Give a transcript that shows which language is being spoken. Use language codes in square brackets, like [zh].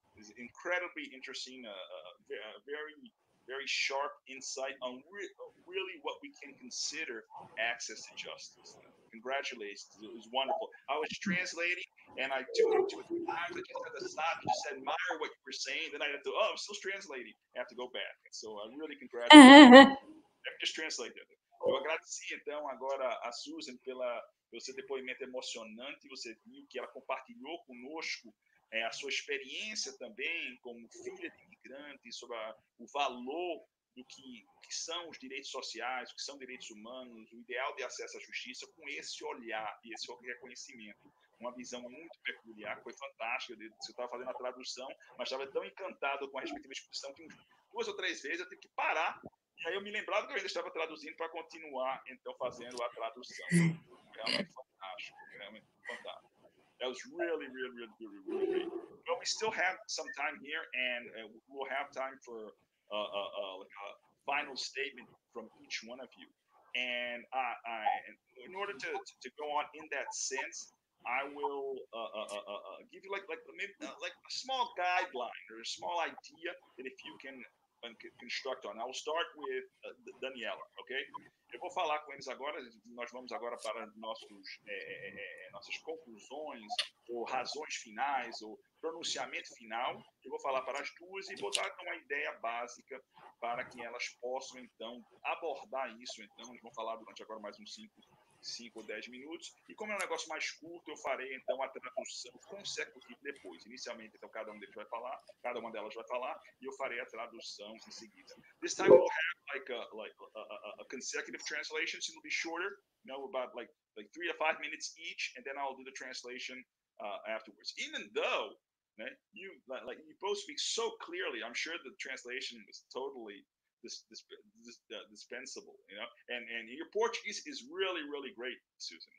[en] It's incredibly interesting, very, very sharp insight on really what we can consider access to justice. Congratulations, it was wonderful. I was translating and I tuned into it. I was just at the stop and just admire what you were saying. Then I had to, oh, I'm still translating. I have to go back. So I really congratulate you. Let me just translate that. [pt] Eu agradeci, então, agora a Susan pelo seu depoimento emocionante. Você viu que ela compartilhou conosco a sua experiência também como filha de imigrantes, sobre o valor do que são os direitos sociais, o que são direitos humanos, o ideal de acesso à justiça, com esse olhar e esse reconhecimento. Uma visão muito peculiar, foi fantástica. Eu estava fazendo a tradução, mas estava tão encantado com a respectiva exposição que duas ou três vezes eu tive que parar. E aí eu me lembrava que eu ainda estava traduzindo para continuar, então, fazendo a tradução. Realmente fantástico, realmente fantástico. [en] That was really, really, really, really, really great. But we still have some time here, and we'll have time for a final statement from each one of you. And in order to go on in that sense, I will give you like a small guideline or a small idea that if you can construct on. I'll start with Daniela, okay? [pt] Eu vou falar com eles agora, nós vamos agora para nossas conclusões, ou razões finais, ou pronunciamento final. Eu vou falar para as duas e vou dar uma ideia básica para que elas possam, então, abordar isso. Então, eles vão falar durante agora mais uns 5 ou 10 minutos. E como é um negócio mais curto, eu farei, então, a tradução consecutiva depois. Inicialmente, então, cada uma delas vai falar, e eu farei a tradução em seguida. [en] This time we'll have like a consecutive translation, so it'll be shorter, you know, about like 3 to 5 minutes each, and then I'll do the translation afterwards. Even though, né, you both speak so clearly, I'm sure the translation is totally dispensable, you know, and your Portuguese is really, really great, Susan.